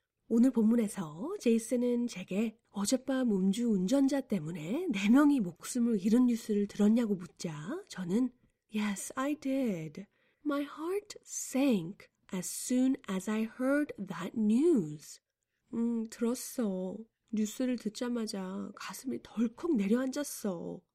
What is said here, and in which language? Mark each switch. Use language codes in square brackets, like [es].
[ko] 오늘 본문에서 제이슨은 제게 어젯밤 음주운전자 때문에 4명이 목숨을 잃은 뉴스를 들었냐고 묻자 저는 [en] Yes, I did. My heart sank as soon as I heard that news. [ko] 들었어. 뉴스를 듣자마자 가슴이 덜컥 내려앉았어.